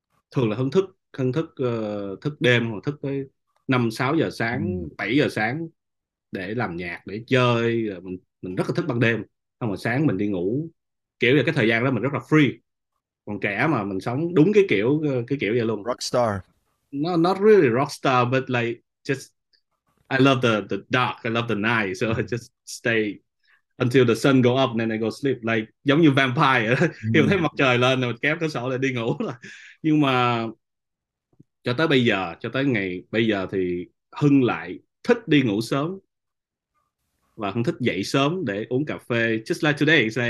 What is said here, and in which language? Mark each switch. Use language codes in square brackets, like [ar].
[vi] Thường là Hưng thức thức đêm, hoặc thức tới 5 6 giờ sáng, 7 giờ sáng để làm nhạc, để chơi. Mình rất là thích ban đêm, xong rồi sáng mình đi ngủ, kiểu là cái thời gian đó mình rất là free. Còn trẻ mà mình sống đúng cái kiểu vậy luôn. [en] Rockstar. Not really rockstar, but like just I love the dark, I love the night, so I just stay until the sun go up, then I go sleep. [vi] Like giống như vampire, khi mà thấy mặt trời lên rồi kéo cửa sổ lại đi ngủ rồi. Nhưng mà cho tới ngày bây giờ thì Hưng lại thích đi ngủ sớm, và Hưng thích dậy sớm để uống cà phê, [en] just like today.